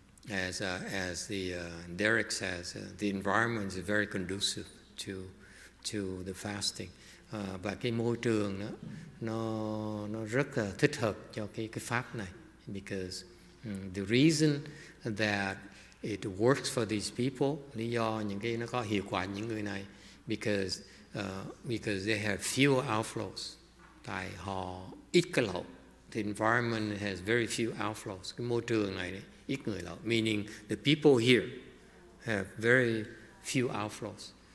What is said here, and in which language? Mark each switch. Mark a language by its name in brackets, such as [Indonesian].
[English] As Derek says, the environment is very conducive to the fasting. [Vietnamese] Và cái môi trường đó nó rất là thích hợp cho cái pháp này, [English] because the reason that it works for these people, [Vietnamese] lý do những cái nó có hiệu quả những người này, [English] because they have few outflows. [Vietnamese] Tại họ ít cái lậu. [English] The environment has very few outflows. [Vietnamese] Cái môi trường này ít người lậu. [English] Meaning the people here have very few outflows.